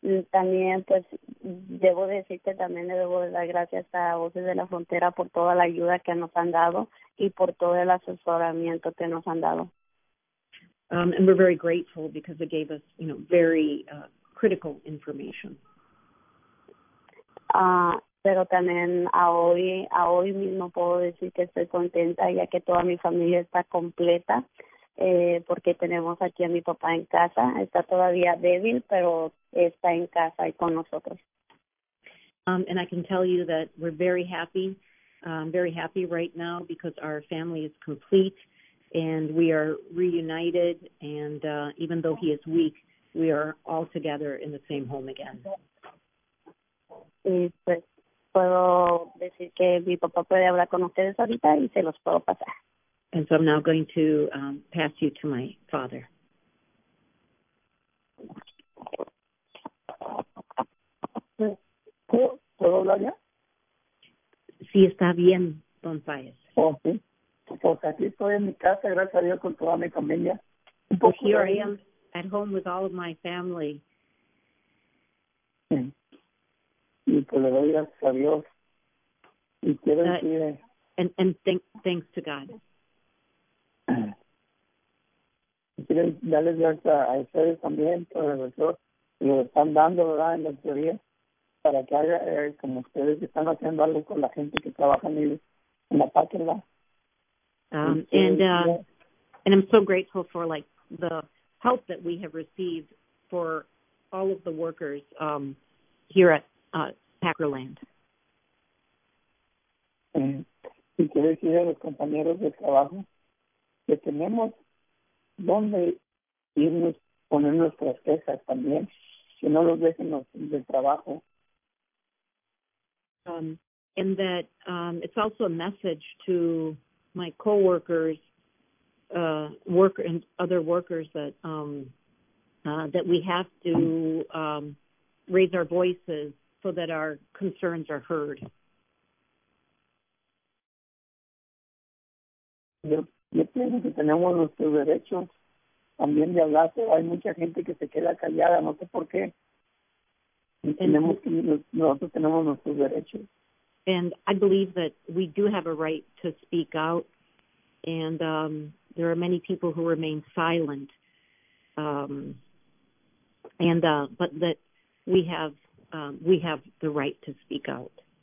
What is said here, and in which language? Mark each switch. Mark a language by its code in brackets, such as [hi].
[es] También pues debo decirte también le debo dar gracias a Voces de la Frontera por toda la ayuda que nos han dado y por todo el asesoramiento que nos han dado. [en] And we're very grateful because it gave us, you know, very critical information. [es] Pero también a hoy mismo puedo decir que estoy contenta ya que toda mi familia está completa porque tenemos aquí a mi papá en casa. Está todavía débil, pero está en casa y con nosotros. [en] And I can tell you that we're very happy right now because our family is complete and we are reunited. And even though he is weak, we are all together in the same home again. [es] Y pues puedo decir que mi papá puede hablar con ustedes ahorita y se los puedo pasar. [en] And so I'm now going to pass you to my father. [es] ¿Puedo hablar ya? Sí, está bien, don Fayez. Oh, sí. Pues aquí estoy en mi casa, gracias a Dios, con toda mi familia. [en] Here I am at home with all of my family. [es] Y pues le doy gracias a Dios. Y quiero decir... [en] And thanks to God. [es] Quiero darles gracias a ustedes también por el resto que nos están dando, ¿verdad?, en la teoría, para que haya, como ustedes están haciendo algo con la gente que trabaja en la página. [en] And I'm so grateful for, like, the help that we have received for all of the workers here at Packerland. [es] Y quiero decir a los compañeros de trabajo que tenemos dónde irnos, poner nuestras quejas también, que no los dejen del trabajo. [en] And that it's also a message to my coworkers, worker and other workers that that we have to raise our voices so that our concerns are heard. [es] Yo pienso que tenemos nuestros derechos también de hablar, pero hay mucha gente que se queda callada, no sé por qué. Nosotros tenemos nuestros derechos. [en] And I believe that we do have a right to speak out, and there are many people who remain silent. But that we have the right to speak out.